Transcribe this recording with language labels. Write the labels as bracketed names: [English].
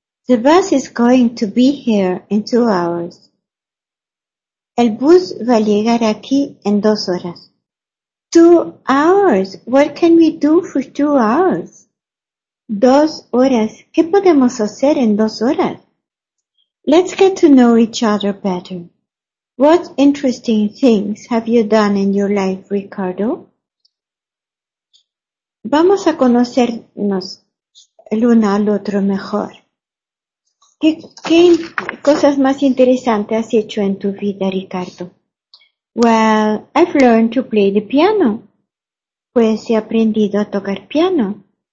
[English] The bus is going to be here in 2 hours. [Spanish] El bus va a llegar aquí en 2 horas. [English] 2 hours. What can we do for 2 hours? [Spanish] 2 horas. ¿Qué podemos hacer en 2 horas? [English] Let's get to know each other better. What interesting things have you done in your life, Ricardo? [Spanish] Vamos a conocernos el uno al otro mejor. ¿Qué cosas más interesantes has hecho en tu vida, Ricardo? [English] Well, I've learned to play the piano. [Spanish] Pues he aprendido a tocar piano.